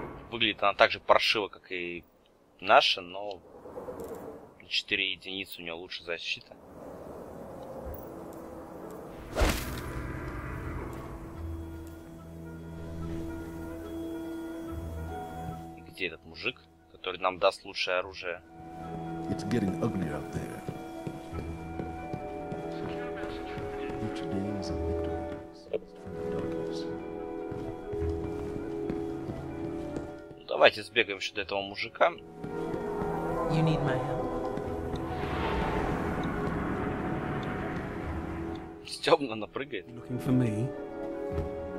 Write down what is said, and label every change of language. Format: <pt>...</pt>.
<ru>Выглядит она так же паршиво, как и наша, но 4 единицы у нее лучше защита. Этот мужик, который нам даст лучшее оружие.</ru> <en>It's getting ugly out there. Each day is a victory for the darkness.</en> <ru>Ну, давайте сбегаем еще до этого мужика.</ru> <en>You need my help.</en> <ru>Стёбна напрыгает.</ru> <en>You're looking for me?</en>